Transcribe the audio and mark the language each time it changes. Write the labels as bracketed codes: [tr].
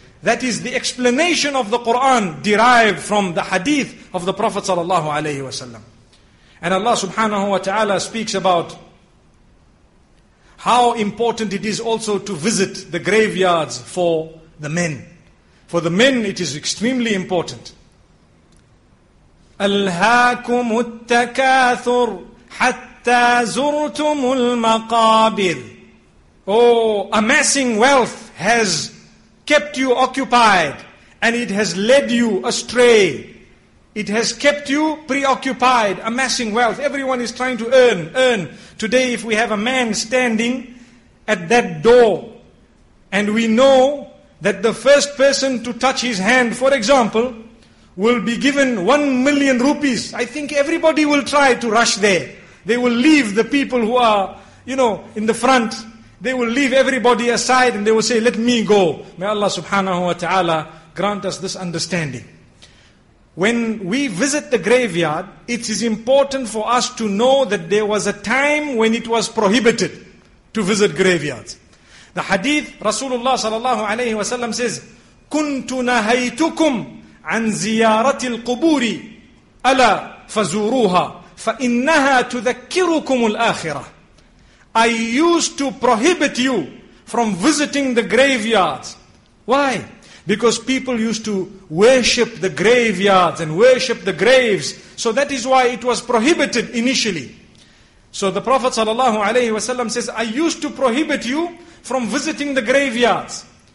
[en] That is the explanation of the Quran derived from the hadith of the Prophet sallallahu alayhi wa sallam. And Allah subhanahu wa ta'ala speaks about how important it is also to visit the graveyards for the men. For the men it is extremely important. [ar] أَلْهَاكُمُ التَّكَاثُرُ حَتَّى زُرْتُمُ الْمَقَابِرُ. [en] Oh, amassing wealth has kept you occupied and it has led you astray. It has kept you preoccupied, amassing wealth. Everyone is trying to earn. Today if we have a man standing at that door, and we know that the first person to touch his hand, for example, will be given 1,000,000 rupees, I think everybody will try to rush there. They will leave the people who are, you know, in the front. They will leave everybody aside and they will say, let me go. May Allah subhanahu wa ta'ala grant us this understanding. When we visit the graveyard, it is important for us to know that there was a time when it was prohibited to visit graveyards. The hadith, Rasulullah sallallahu alayhi wa sallam says, [ar] كُنْتُ نَهَيْتُكُمْ عَنْ زِيَارَةِ الْقُبُورِ أَلَا فَزُورُوهَا فَإِنَّهَا تُذَكِّرُكُمُ الْآخِرَةِ. [en] I used to prohibit you from visiting the graveyards. Why? Because people used to worship the graveyards and worship the graves. So that is why it was prohibited initially. So the Prophet sallallahu alaihi wasallam says, I used to prohibit you from visiting the graveyards.